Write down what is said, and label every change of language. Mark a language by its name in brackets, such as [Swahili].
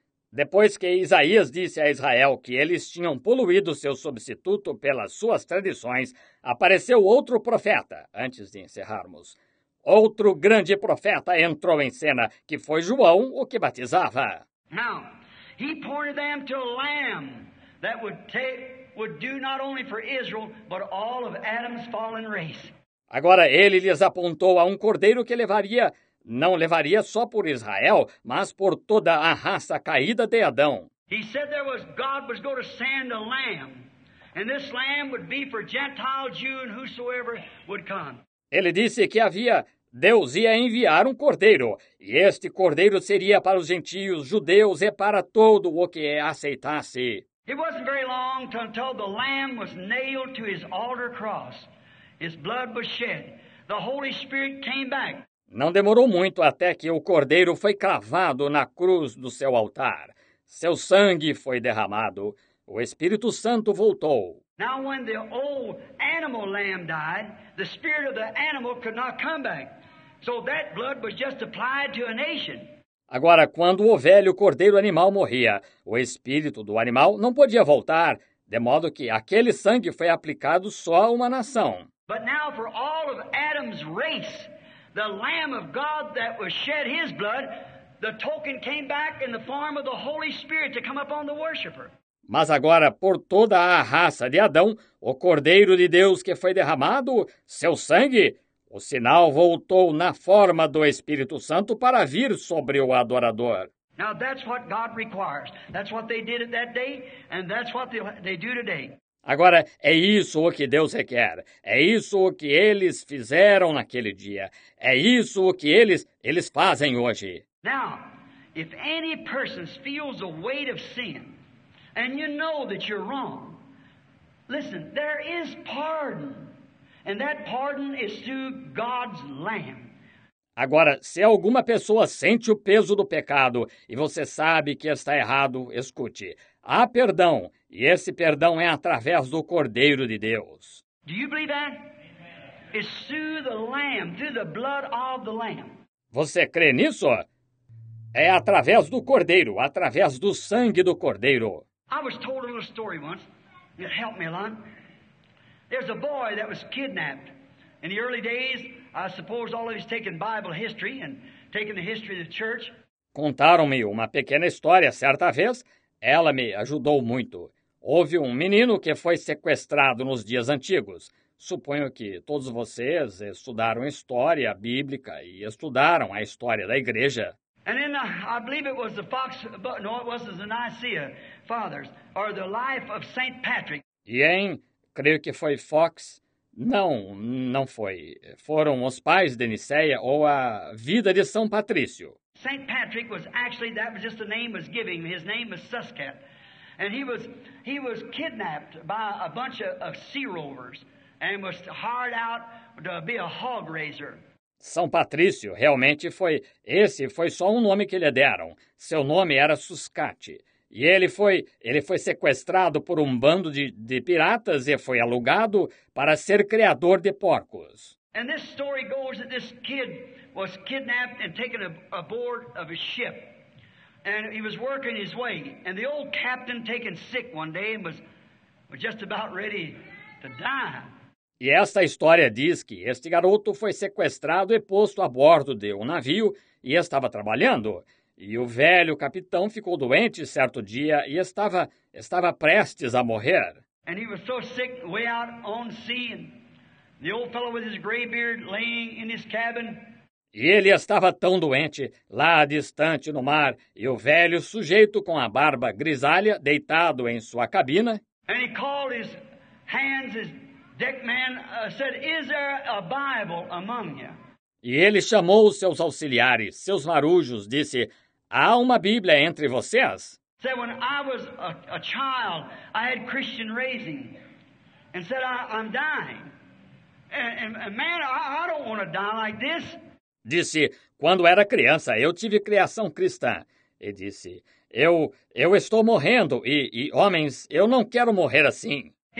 [Portuguese] Depois que Isaías disse a Israel que eles tinham poluído seu substituto pelas suas tradições, apareceu outro profeta, antes de encerrarmos. Outro grande profeta entrou em cena, que foi João, o que batizava. [English] Now, he pointed them to a lamb that would do not only for Israel, but all of Adam's fallen race. [Portuguese] Agora, ele lhes apontou a um cordeiro que levaria... Não levaria só por Israel, mas por toda a raça caída de Adão. [English] He said there was God was going to send a lamb, and this lamb would be for Gentile, Jew, and whosoever would come. [Portuguese] Ele disse que havia Deus ia enviar um cordeiro, e este cordeiro seria para os gentios, judeus e para todo o que aceitasse. [English] It wasn't very long until the lamb was nailed to his altar cross. His blood was shed. The Holy Spirit came back. [Portuguese] Não demorou muito até que o cordeiro foi cravado na cruz do seu altar. Seu sangue foi derramado. O Espírito Santo voltou. [English] Now when the old animal lamb died, the spirit of the animal could not come back. So that blood was just applied to a nation. [Portuguese] Agora, quando o velho cordeiro animal morria, o espírito do animal não podia voltar, de modo que aquele sangue foi aplicado só a uma nação. [English] But now for all of Adam's race, the Lamb of God that was shed his blood, the token came back in the form of the Holy Spirit to come upon the worshiper. [Portuguese] Mas agora, por toda a raça de Adão, o Cordeiro de Deus que foi derramado, seu sangue, o sinal voltou na forma do Espírito Santo para vir sobre o adorador. [English] Now that's what God requires. That's what they did at that day, and that's what they do today. [Portuguese] Agora, é isso o que Deus requer. É isso o que eles fizeram naquele dia. É isso o que eles fazem hoje. [English] Now, if any person feels the weight of sin, and you know that you're wrong, listen, there is pardon. And that pardon is through God's Lamb. [Portuguese] Agora, se alguma pessoa sente o peso do pecado e você sabe que está errado, escute. Há perdão, e esse perdão é através do Cordeiro de Deus. [English] Do you believe that? It's through the Lamb, through the blood of the Lamb. [Portuguese] Você crê nisso? É através do Cordeiro, através do sangue do Cordeiro. [English] I was told a little story once. It helped me a lot. There's a boy that was kidnapped. In the early days, I suppose all of he's taken Bible history and taken the history of the church. [Portuguese] Contaram-me uma pequena história certa vez. Ela me ajudou muito. Houve um menino que foi sequestrado nos dias antigos. Suponho que todos vocês estudaram história bíblica e estudaram a história da igreja. [English] And then I believe it was the Fox, but no, it was the Nicaea Fathers, or the life of St. Patrick. [Portuguese] E em, creio que foi Fox. Não, não foi. Foram os pais de Nicéia ou a vida de São Patrício. [English] St. Patrick was actually, that was just the name was giving. His name was Susket. And he was kidnapped by a bunch of sea rovers and was hired out to be a hog raiser. [Portuguese] São Patrício realmente foi, esse foi só um nome que lhe deram. Seu nome era Susket. E ele foi sequestrado por um bando de piratas e foi alugado para ser criador de porcos. [English] And this story goes that this kid was kidnapped and taken aboard of a ship. And he was working his way. And the old captain taken sick one day and was just about ready to die. [Portuguese] E esta história diz que este garoto foi sequestrado e posto a bordo de um navio e estava trabalhando. E o velho capitão ficou doente certo dia e estava prestes a morrer. [English] And he was so sick, way out on sea, and the old fellow with his gray beard laying in his cabin. [Portuguese] E ele estava tão doente, lá distante no mar, e o velho sujeito com a barba grisalha, deitado em sua cabina. [English] And he called his hands, his deck man, said, "Is there a Bible among you?" [Portuguese] E ele chamou os seus auxiliares, seus marujos, disse, "Há uma Bíblia entre vocês?" [English] Said, "When I was a child, I had Christian raising, and said, I'm dying. And man, I don't want to die like this." [Portuguese] Disse, quando era criança, eu tive criação cristã. E disse, eu estou morrendo, e homens, eu não quero morrer assim.